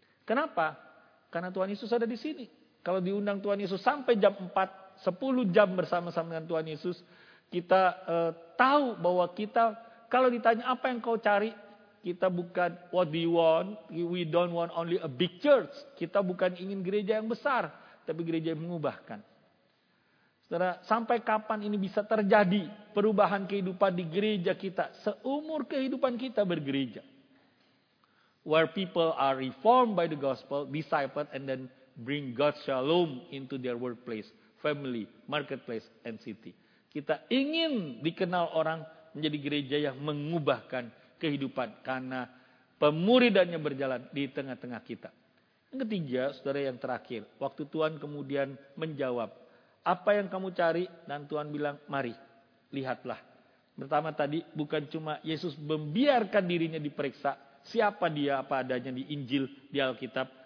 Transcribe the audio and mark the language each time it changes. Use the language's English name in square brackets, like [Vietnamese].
[Indonesian] Kenapa? Karena Tuhan Yesus ada di sini. Kalau diundang Tuhan Yesus sampai jam 4, 10 jam bersama-sama dengan Tuhan Yesus, kita tahu bahwa kita, kalau ditanya apa yang kau cari, kita bukan [English] what we want, we don't want only a big church. [Indonesian] Kita bukan ingin gereja yang besar, tapi gereja yang mengubahkan. Saudara, sampai kapan ini bisa terjadi perubahan kehidupan di gereja kita, seumur kehidupan kita bergereja? [English] Where people are reformed by the gospel, discipled, and then bring God's shalom into their workplace, family, marketplace, and city. [Indonesian] Kita ingin dikenal orang menjadi gereja yang mengubahkan kehidupan karena pemuridannya berjalan di tengah-tengah kita. Yang ketiga, saudara, yang terakhir, waktu Tuhan kemudian menjawab, apa yang kamu cari? Dan Tuhan bilang, mari, lihatlah. Pertama tadi, bukan cuma Yesus membiarkan dirinya diperiksa, siapa dia, apa adanya di Injil, di Alkitab.